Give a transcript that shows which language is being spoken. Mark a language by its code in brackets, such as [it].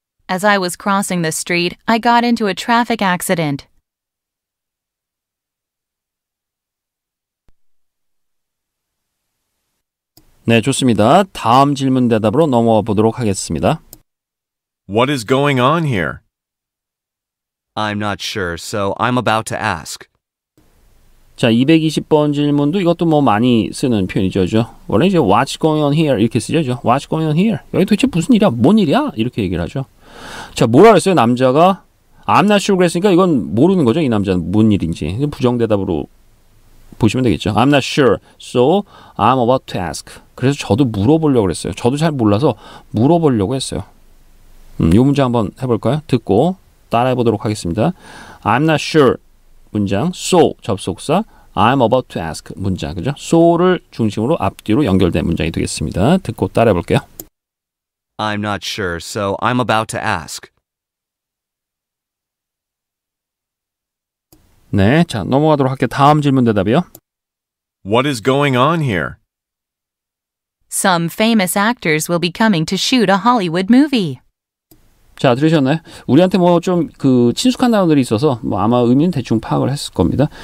[en] As I was crossing the street, I got into a traffic accident. [ko] 네, 좋습니다. 다음 질문 대답으로 넘어가 보도록 하겠습니다. [en] What is going on here? I'm not sure, so I'm about to ask. [ko] 자, 220번 질문도 이것도 뭐 많이 쓰는 표현이죠. 그렇죠? 원래 이제 [en] what's going on here [ko] 이렇게 쓰죠. 그렇죠? [en] What's going on here? [ko] 여기 도대체 무슨 일이야? 뭔 일이야? 이렇게 얘기를 하죠. 자, 뭐라 그랬어요? 남자가 [en] I'm not sure [ko] 그랬으니까 이건 모르는 거죠. 이 남자는 뭔 일인지. 부정대답으로 보시면 되겠죠. [en] I'm not sure. So I'm about to ask. [ko] 그래서 저도 물어보려고 했어요. 저도 잘 몰라서 물어보려고 했어요. 이 문제 한번 해볼까요? 듣고 따라해보도록 하겠습니다. [en] I'm not sure. [ko] 문장, so 접속사, [en] I'm about to ask [ko] 문장, 그죠? so를 중심으로 앞뒤로 연결된 문장이 되겠습니다. 듣고 따라해 볼게요. [en] I'm not sure, so I'm about to ask. [ko] 네, 자, 넘어가도록 할게요. 다음 질문 대답이요. [en] What is going on here? Some famous actors will be coming to shoot a Hollywood movie. [ko] 자, 들으셨나요? 우리한테 뭐 좀 그 친숙한 단어들이 있어서 뭐 아마 의미는 대충 파악을 했을 겁니다.